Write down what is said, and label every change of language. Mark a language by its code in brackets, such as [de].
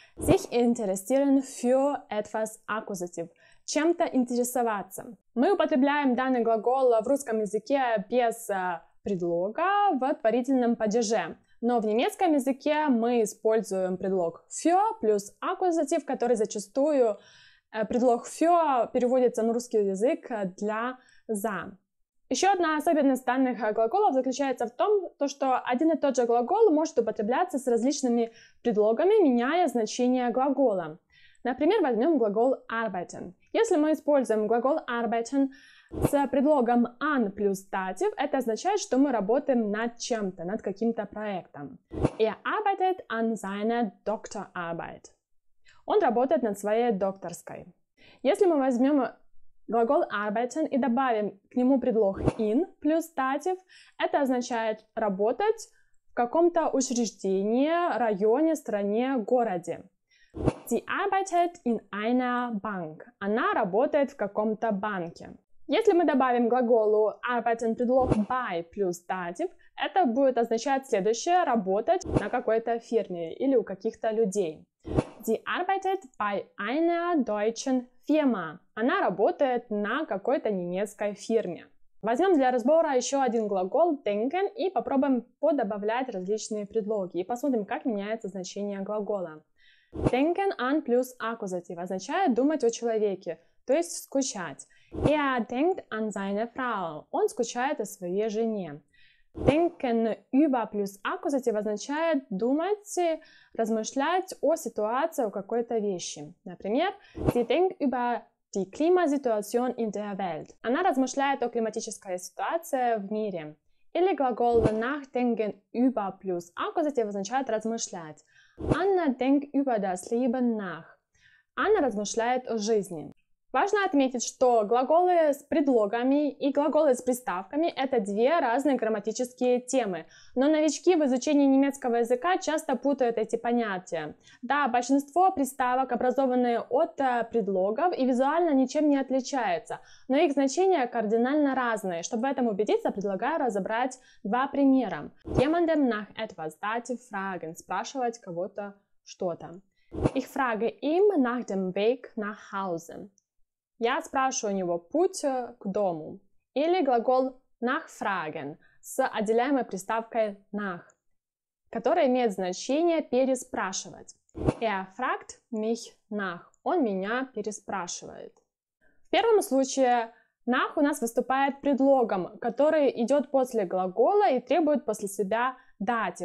[de] Sich interessieren für etwas аккузатив. [ru] Чем-то интересоваться. Мы употребляем данный глагол в русском языке без предлога в творительном падеже. Но в немецком языке мы используем предлог für плюс аккузатив, который зачастую предлог für переводится на русский язык для за. Еще одна особенность данных глаголов заключается в том, что один и тот же глагол может употребляться с различными предлогами, меняя значение глагола. Например, возьмем глагол arbeiten. Если мы используем глагол arbeiten с предлогом an плюс datif, это означает, что мы работаем над чем-то, над каким-то проектом. [de] Er arbeitet an seiner Doktorarbeit. [ru] Он работает над своей докторской. Если мы возьмем глагол arbeiten и добавим к нему предлог in плюс datif, это означает работать в каком-то учреждении, районе, стране, городе. [de] Sie arbeitet in einer Bank. [ru] Она работает в каком-то банке. Если мы добавим глаголу arbeiten предлог by плюс datif, это будет означать следующее: работать на какой-то фирме или у каких-то людей. [de] Sie arbeitet bei einer deutschen Firma. [ru] Она работает на какой-то немецкой фирме. Возьмем для разбора еще один глагол denken и попробуем подобавлять различные предлоги и посмотрим, как меняется значение глагола. Denken an плюс аккузатив означает думать о человеке, то есть скучать. [de] Er denkt an seine Frau. [ru] Он скучает о своей жене. Denken über плюс аккузатив означает думать, размышлять о ситуации, о какой-то вещи. Например, [de] sie denkt über die Klimasituation in der Welt. [ru] Она размышляет о климатической ситуации в мире. Или глагол nachdenken über плюс аккузатив означает размышлять. [de] Anna denkt über das Leben nach. [ru] Anna размышляет о жизни. Важно отметить, что глаголы с предлогами и глаголы с приставками – это две разные грамматические темы. Но новички в изучении немецкого языка часто путают эти понятия. Да, большинство приставок образованы от предлогов и визуально ничем не отличаются, но их значения кардинально разные. Чтобы в этом убедиться, предлагаю разобрать два примера. [de] Jemandem nach etwas, dativ, fragen [ru] – спрашивать кого-то что-то. [de] Ich frage ihn nach dem Weg nach Hause. [ru] Я спрашиваю у него путь к дому. Или глагол nachfragen с отделяемой приставкой nach, которая имеет значение переспрашивать. [de] Er fragt mich nach. [ru] Он меня переспрашивает. В первом случае nach у нас выступает предлогом, который идет после глагола и требует после себя дати.